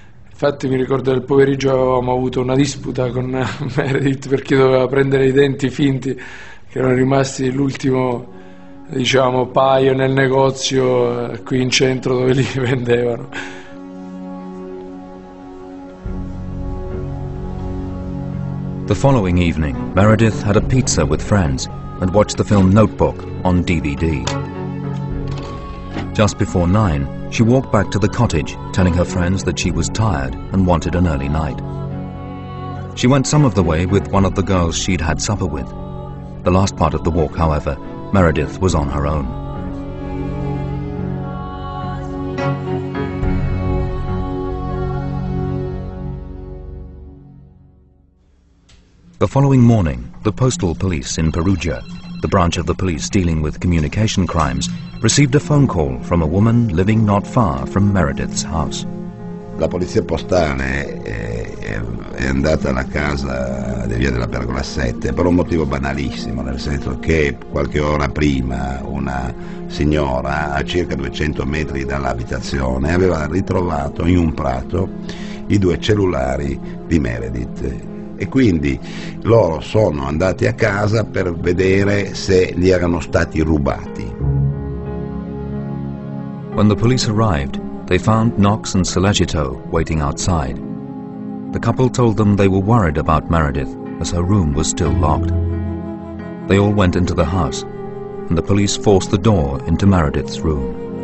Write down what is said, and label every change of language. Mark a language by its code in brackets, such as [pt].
[it] Infatti mi ricordo del pomeriggio avevamo avuto una disputa con Meredith perché doveva prendere i denti finti che erano rimasti l'ultimo, diciamo, paio nel negozio qui in centro dove li vendevano. [en] The following evening, Meredith had a pizza with friends and watched the film Notebook on DVD. Just before 9, she walked back to the cottage, telling her friends that she was tired and wanted an early night. She went some of the way with one of the girls she'd had supper with. The last part of the walk, however, Meredith was on her own. The following morning, the postal police in Perugia, the branch of the police dealing with communication crimes, received a phone call from a woman living not far from Meredith's house. [it] La polizia postale è andata alla casa di via della Pergola 7 per un motivo banalissimo, nel senso che qualche ora prima una signora a circa 200 metri dall'abitazione aveva ritrovato in un prato i due cellulari di Meredith. E quindi loro sono andati a casa per vedere se gli erano stati rubati. [en] When the police arrived, they found Knox and Sellagito waiting outside. The couple told them they were worried about Meredith, as her room was still locked. They all went into the house, and the police forced the door into Meredith's room.